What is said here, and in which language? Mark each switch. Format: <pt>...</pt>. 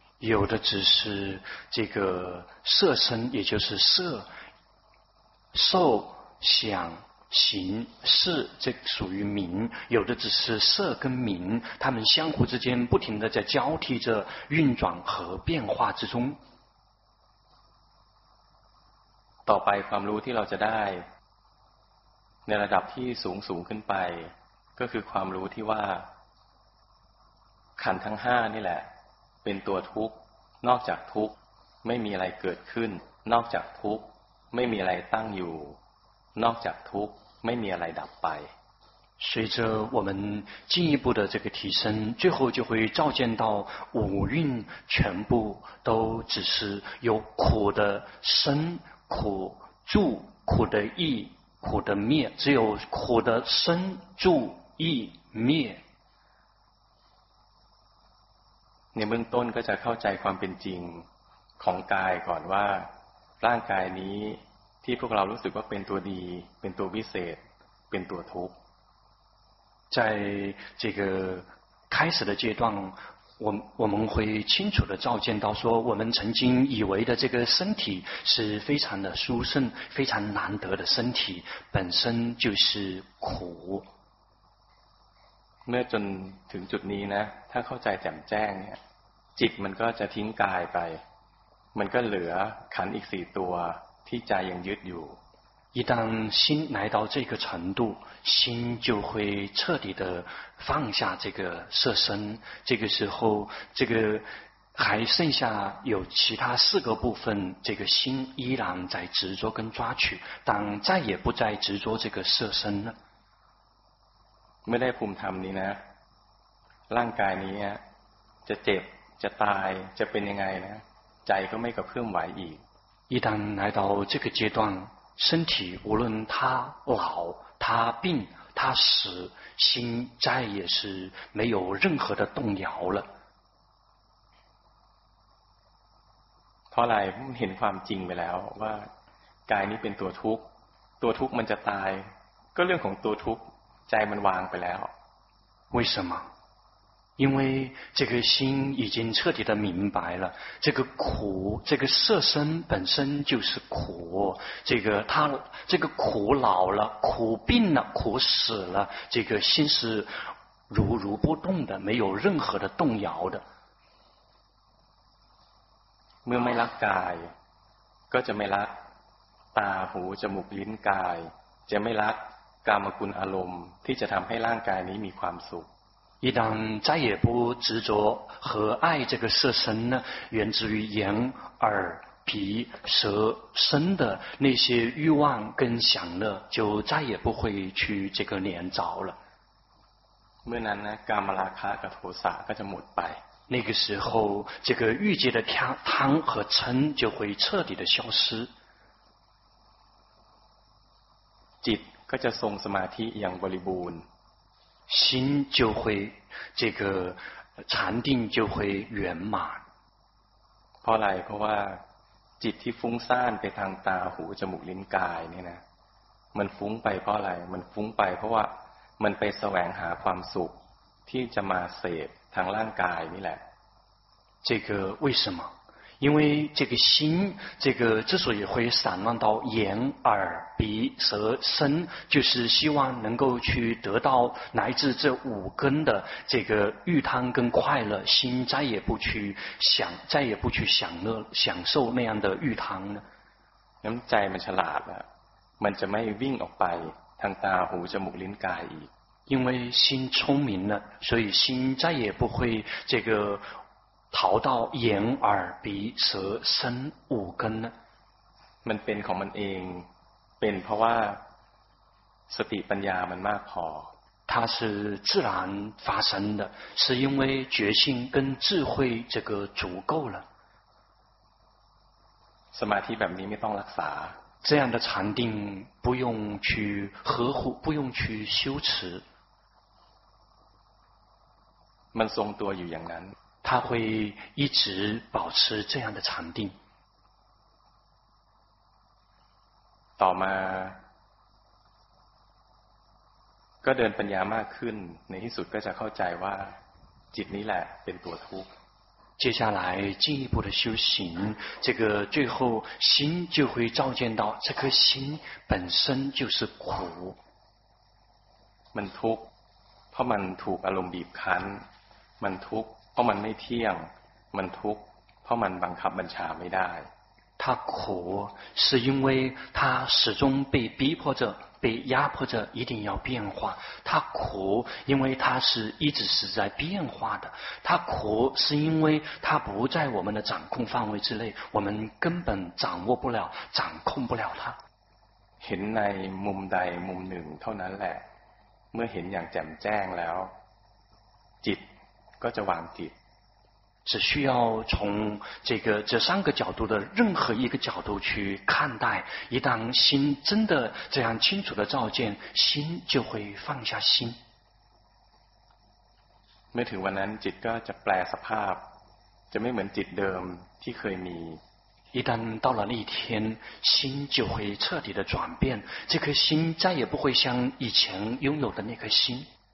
<zh>有的只是这个色身也就是色受想行是这属于名有的只是色跟名他们相互之间不停地在交替着运转和变化之中</zh> <th>ต่อไปความรู้ที่เราจะได้ในระดับที่สูงสูงขึ้นไปก็คือความรู้ที่ว่าขันธ์ทั้งห้านี่แหละเป็นตัวทุกข์นอกจากทุกข์ไม่มีอะไรเกิดขึ้นนอกจากทุกข์ไม่มีอะไรตั้งอยู่นอกจากทุกข์ไม่มีอะไรดับไป</th> <zh>随着我们进一步的这个提升最后就会照见到五蕴全部都只是有苦的生苦住苦的意苦的灭只有苦的生住意灭你们</zh> <th>ต้นก็จะเข้าใจความเป็นจริงของกายก่อนว่าร่างกายนี้ที่พวกเรารู้สึกว่าเป็นตัวดีเป็นตัววิเศษเป็นตัวทุกข์</th> <zh>在这个开始的阶段，我们会清楚的照见到说，我们曾经以为的这个身体是非常的殊胜、非常难得的身体，本身就是苦。</zh> <th>เมื่อจนถึงจุดนี้นะถ้าเข้าใจแจ่มแจ้งเนี่ยจิตมันก็จะทิ้งกายไปมันก็เหลือขันธ์อีก4ตัวที่ใจยังยึดอยู่</th> <zh>一旦心来到这个程度心就会彻底的放下这个色身这个时候这个还剩下有其他四个部分这个心依然在执着跟抓取但再也不再执着这个色身了</zh> <th>ไม่ได้ภูมิธรรมนี้นะร่างกายนี้จะเจ็บจะตายจะเป็นยังไงนะใจก็ไม่กระเพื่อมไหวอีก</th> <zh>一旦来到这个阶段身体无论它老它病它死心再也是没有任何的动摇了</zh> <th>เพราะอะไรเห็นความจริงไปแล้วว่ากายนี้เป็นตัวทุกข์ตัวทุกข์มันจะตายก็เรื่องของตัวทุกข์ใจมันวางไปแล้ว</th> <zh>为什么因为这个心已经彻底的明白了这个苦这个色身本身就是苦这个它这个苦老了苦病了苦死了这个心是如如不动的没有任何的动摇的</zh> <th>เมื่อไม่รักกายก็จะไม่รักตาหูจมูกลิ้นกายจะไม่รักกามคุณอารมณ์ที่จะทำให้ร่างกายนี้มีความสุข</th> <zh>一旦再也不执着和爱这个色身呢源自于眼耳鼻舌身的那些欲望跟享乐就再也不会去这个连着了</zh> <th>เมื่อนั้นนะกามราคะกับโทสะก็จะหมดไป</th> <zh>那个时候这个欲界的贪和嗔就会彻底的消失</zh> <th>จิตก็จะทรงสมาธิอย่างบริบูรณ์</th> <zh>心就会这个禅定就会圆满</zh> <th>เพราะอะไรเพราะว่าจิตที่ฟุ้งซ่านไปทางตาหูจมูกลิ้นกายเนี่ยนะมันฟุ้งไปเพราะอะไรมันฟุ้งไปเพราะว่ามันไปแสวงหาความสุขที่จะมาเสพทางร่างกายนี่แหละ</th> <zh>这个为什么因为这个心这个之所以会散乱到眼耳鼻舌身就是希望能够去得到来自这五根的这个欲贪跟快乐心再也不去想再也不去享乐享受那样的欲贪呢那么在门上拉了门怎么运动白汤大壶这母林改因为心聪明了所以心再也不会这个逃到眼耳鼻舌身五根呢</zh> <th>มันเป็นของมันเองเป็นเพราะว่าสติปัญญามันมากพ</th> <zh>อ它是自然发生的是因为觉性跟智慧这个足够了</zh> <th>สมาธิแบบนี้ไม่ต้องรักษา</th> <zh>这样的禅定不用去呵护不用去修持</zh> <th>มันทรงตัวอยู่อย่างนั้น เขา</th> <zh>会一直保持这样的禅定</zh> <th>ต่อมาก็เดินปัญญามากขึ้นในที่สุดก็จะเข้าใจว่าจิตนี้แหละเป็นตัวทุกข์</th> <zh>接下来进一步的修行这个最后心就会照见到这颗心本身就是苦</zh> <th>มันทุกข์เพราะมันถูกอารมณ์บีบคั้นมันทุกข์เพราะมันไม่เที่ยงมันทุกข์เพราะมันบังคับบัญชาไม่ได้</th> <zh>他苦是因为他始终被逼迫着被压迫着一定要变化他苦因为他是一直是在变化的他苦是因为他不在我们的掌控范围之内我们根本掌握不了掌控不了他</zh> <th>เห็นในมุมใดมุมหนึ่งเท่านั้นแหละเมื่อเห็นอย่างแจ่มแจ้งแล้วจิตก็จะวางจิต</th> <zh>只需要从这个这三个角度的任何一个角度去看待一旦心真的这样清楚的照见心就会放下心</zh> <th>เมื่อถึงวันนั้นจิตก็จะแปลสภาพจะไม่เหมือนจิตเดิมที่เคยมี</th> <zh>一旦到了那一天心就会彻底的转变这颗心再也不会像以前拥有的那颗心</zh>